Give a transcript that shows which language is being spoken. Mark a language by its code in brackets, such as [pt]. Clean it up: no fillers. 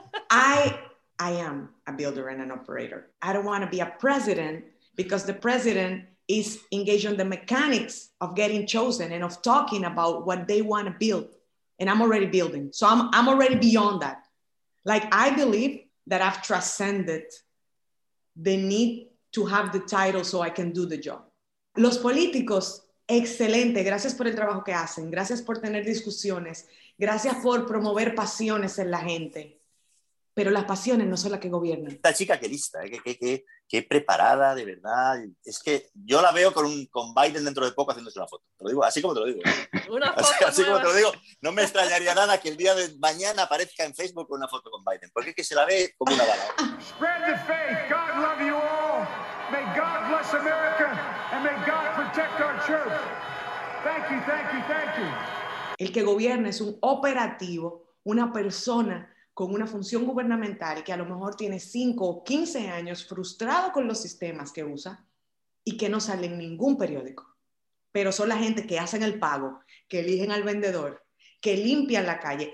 [en] I am a builder and an operator. I don't want to be a president because the president is engaged in the mechanics of getting chosen and of talking about what they want to build. And I'm already building. So I'm already beyond that. Like, I believe that I've transcended the need to have the title so I can do the job. [es] Los políticos, excelente. Gracias por el trabajo que hacen. Gracias por tener discusiones. Gracias por promover pasiones en la gente. Pero las pasiones no son las que gobiernan. Esta chica, qué lista, ¿eh? qué preparada, de verdad. Es que yo la veo con Biden dentro de poco haciéndose una foto. Te lo digo, así como te lo digo. Así como te lo digo. No me extrañaría nada que el día de mañana aparezca en Facebook una foto con Biden. Porque es que se la ve como una bala. [en] Spread the faith. God love you all. May God bless America. And may God protect our church. Thank you. [es] El que gobierna es un operativo, una persona con una función gubernamental que a lo mejor tiene 5 o 15 años frustrado con los sistemas que usa y que no sale en ningún periódico. Pero son la gente que hacen el pago, que eligen al vendedor, que limpian la calle.